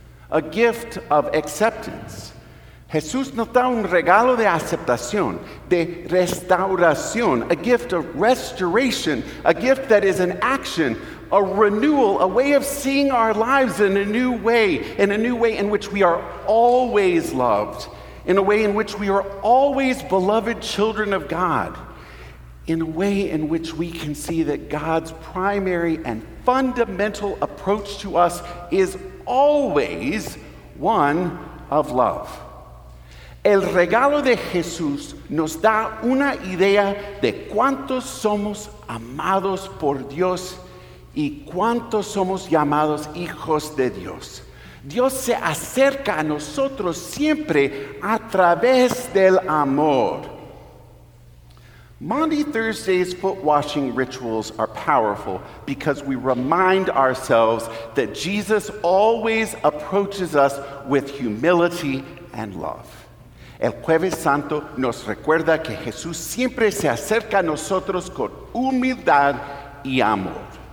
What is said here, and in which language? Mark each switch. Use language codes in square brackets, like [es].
[en] A gift of acceptance. [es] Jesús nos da un regalo de aceptación, de restauración, [en] a gift of restoration, a gift that is an action, a renewal, a way of seeing our lives in a new way in which we are always loved, in a way in which we are always beloved children of God, in a way in which we can see that God's primary and fundamental approach to us is always one of love. [es] El regalo de Jesús nos da una idea de cuántos somos amados por Dios y cuántos somos llamados hijos de Dios. Dios se acerca a nosotros siempre a través del amor. [en] Maundy Thursday's foot washing rituals are powerful because we remind ourselves that Jesus always approaches us with humility and love. [es] El Jueves Santo nos recuerda que Jesús siempre se acerca a nosotros con humildad y amor.